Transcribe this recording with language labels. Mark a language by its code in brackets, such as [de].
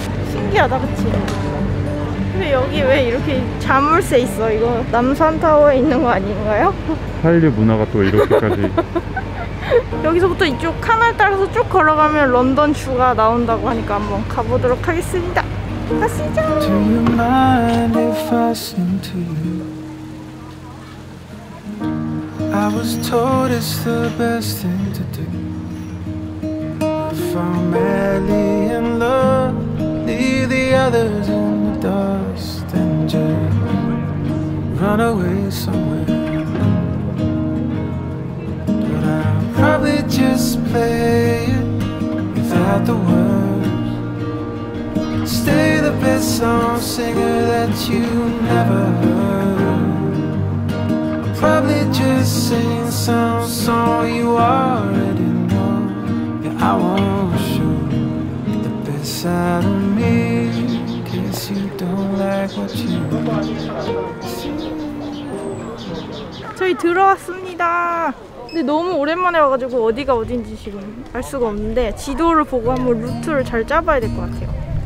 [ko] 신기하다, 그치? 근데 여기 왜 이렇게 자물쇠 있어? 이거 남산타워에 있는 거 아닌가요? 한류 문화가 또 이렇게까지. 여기서부터 이쪽 카널 따라서 쭉 걸어가면 런던 뷰가 나온다고 하니까 한번 가보도록 하겠습니다. 가시죠! [en] Do you mind if I sing to you? I was told it's the best thing to do. If I'm madly in love, leave the others in the dust and just run away somewhere. But I'll probably just play it without the words. Stay the best song singer that you never heard. Probably just sing some song you already know. Yeah, I won't show the best side of me. Guess you don't like what you see. [ko] 저희 들어왔습니다. 근데 너무 오랜만에 와가지고 어디가 어딘지 지금 알 수가 없는데 지도를 보고 한번 루트를 잘 짜봐야 될 것 같아요.